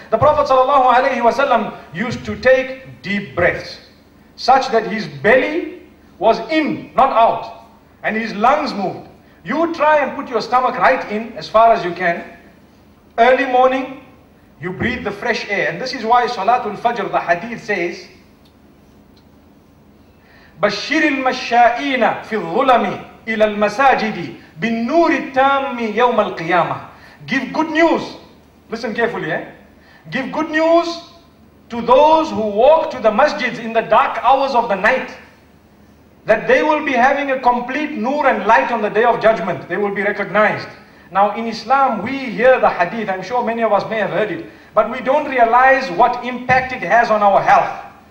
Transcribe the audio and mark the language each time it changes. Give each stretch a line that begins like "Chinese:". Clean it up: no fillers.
English: The Prophet sallallahu alaihi wasallam used to take deep breaths, such that his belly was in, not out, and his lungs moved. You try and put your stomach right in as far as you can, early morning. You breathe the fresh air. And this is why Salatul Fajr, the hadith says,
Arabic: بَشِّرِ الْمَشَّائِينَ فِي الظُّلَمِ إِلَى الْمَسَاجِدِ بِالنُّورِ التَّامِّ يَوْمَ الْقِيَامَةِ.
English: Give good news. Listen carefully, eh? Give good news to those who walk to the masjids in the dark hours of the night, that they will be having a complete nur and light on the day of judgment. They will be recognized. Now in Islam, we hear the hadith, I'm sure many of us may have heard it, but we don't realize what impact it has on our health.